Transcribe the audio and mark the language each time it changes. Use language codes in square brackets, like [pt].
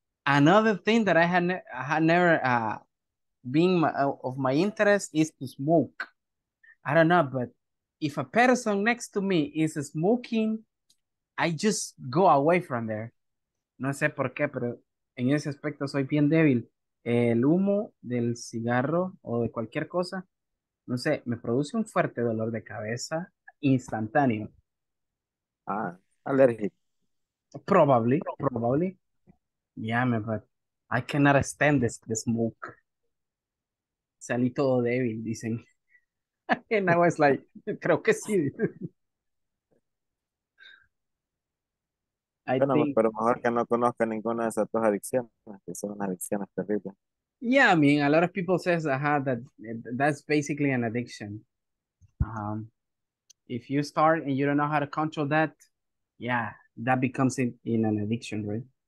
[en] Another thing that I had never been of my interest is to smoke. I don't know, but if a person next to me is smoking, I just go away from there. [es] No sé por qué, pero en ese aspecto soy bien débil. El humo del cigarro o de cualquier cosa, no sé, me produce un fuerte dolor de cabeza instantáneo. Ah, alérgico. [en] Probably. Yeah, man, but I cannot stand this smoke. [es] Salí todo débil, dicen. And I was like, creo que sí. [en] I [es] Bueno, [en] think. [es] pero mejor que no conozca ninguna de esas dos adicciones, que son adicciones terribles. [en] Yeah, I mean, a lot of people says, that's basically an addiction. If you start and you don't know how to control that, yeah, that becomes in an addiction, right?